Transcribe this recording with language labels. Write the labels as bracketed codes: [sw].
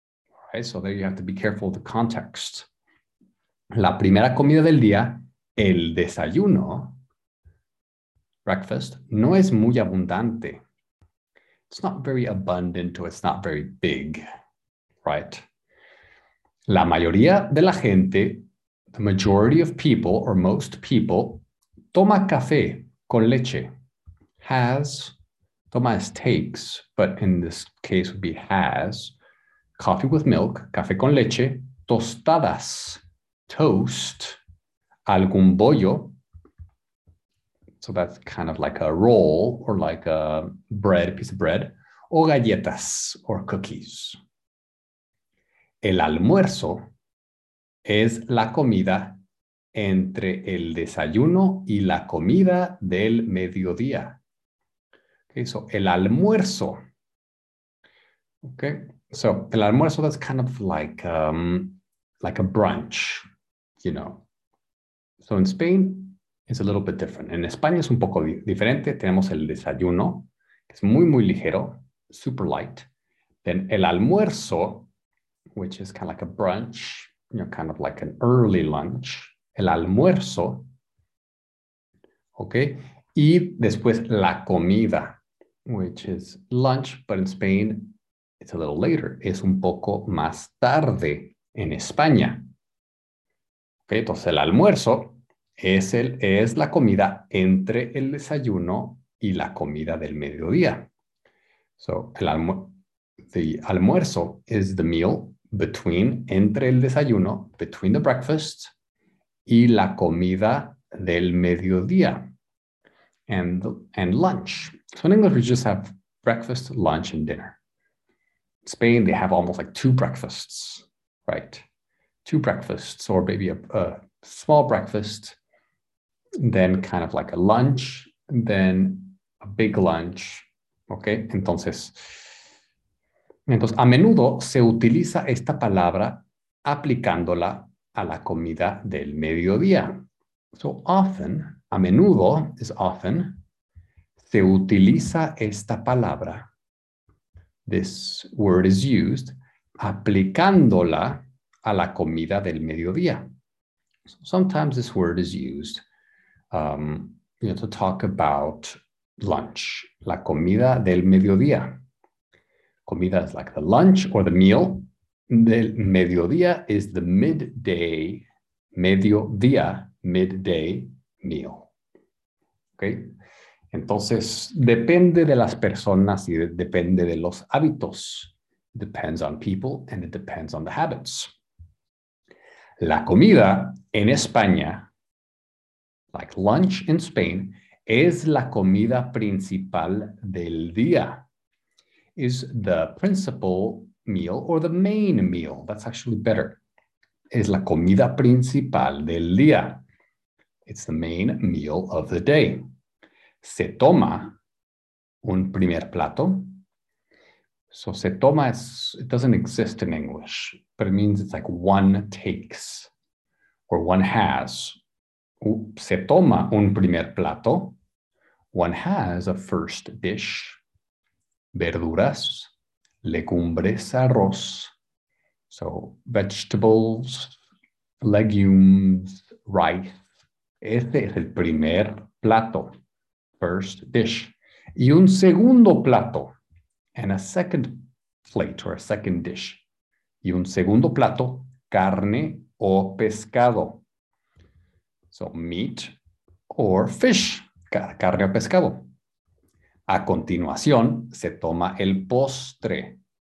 [en] All right, so there you have to be careful of the context. [es] La primera comida del día, el desayuno, [en] breakfast, [es] no es muy abundante. [en] It's not very abundant or it's not very big, right? [es] La mayoría de la gente, [en] the majority of people or most people, [es] toma café con leche. [en] Has, Tomas takes, but in this case would be has, coffee with milk, [es] café con leche, tostadas, [en] toast, [es] algún bollo. [en] So that's kind of like a roll or like a bread, a piece of bread, [es] o galletas [en] or cookies. [es] El almuerzo es la comida entre el desayuno y la comida del mediodía. Eso, el almuerzo. [en] Okay, so [es] el almuerzo, [en] that's kind of like a brunch, you know. So in Spain, it's a little bit different. [es] En España es un poco di diferente. Tenemos el desayuno, que es muy, muy ligero, super light. [en] Then [es] el almuerzo, [en] which is kind of like a brunch, you know, kind of like an early lunch. [es] El almuerzo. Okay, y después la comida. [en] Which is lunch, but in Spain it's a little later. [es] Es un poco más tarde en España. Okay, entonces el almuerzo es es la comida entre el desayuno y la comida del mediodía. [en] So, the almuerzo is the meal between, [es] entre el desayuno, [en] between the breakfast, [es] y la comida del mediodía. [en] And lunch. So in English, we just have breakfast, lunch, and dinner. In Spain, they have almost like two breakfasts, right? Two breakfasts, or maybe a small breakfast, then kind of like a lunch, then a big lunch. [es] Okay, entonces, a menudo se utiliza esta palabra aplicándola a la comida del mediodía. [en] So often, [es] a menudo [en] is often, [es] se utiliza esta palabra. [en] This word is used [es] aplicándola a la comida del mediodía. [en] So sometimes this word is used you know, to talk about lunch, [es] la comida del mediodía. [en] Comida is like the lunch or the meal. Del mediodía is the midday, mediodía, midday meal. Okay. [es] Entonces, depende de las personas y depende de los hábitos. [en] Depends on people and it depends on the habits. [es] La comida en España, [en] like lunch in Spain, [es] es la comida principal del día. [en] Is the principal meal or the main meal? That's actually better. [es] Es la comida principal del día. [en] It's the main meal of the day. [es] Se toma un primer plato. [en] So [es] se toma es, [en] it doesn't exist in English, but it means it's like one takes or one has. [es] Se toma un primer plato. [en] One has a first dish. [es] Verduras, legumbres, arroz. [en] So vegetables, legumes, rice. [es] Este es el primer plato, [en] first dish. [es] Y un segundo plato, [en] and a second plate or a second dish. [es] Y un segundo plato, carne o pescado. [en] So meat or fish, [es] carne o pescado. A continuación, se toma el postre.